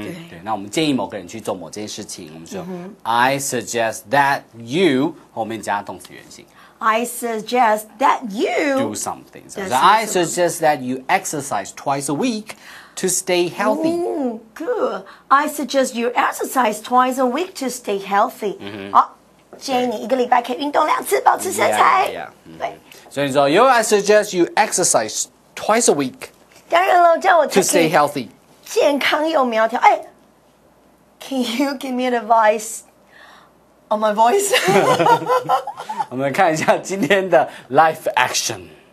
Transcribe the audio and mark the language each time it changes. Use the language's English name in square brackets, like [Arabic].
[Chinese] 对，那我们建议某个人去做某件事情，我们说、 [English] I suggest that you [Chinese] 后面加动词原形。 [English] I suggest that you do something. So I suggest that you exercise twice a week to stay healthy. Good. I suggest you exercise twice a week to stay healthy. [Chinese] 建议你一个礼拜可以运动两次，保持身材。对。所以说 [English] I suggest you exercise twice a week. [Chinese] 当然了，这样我才可以 [English] to stay healthy. [Chinese] 健康又苗条。哎 [English] ，Can you give me advice on my voice? [Chinese] 我们看一下今天的 [English] life action.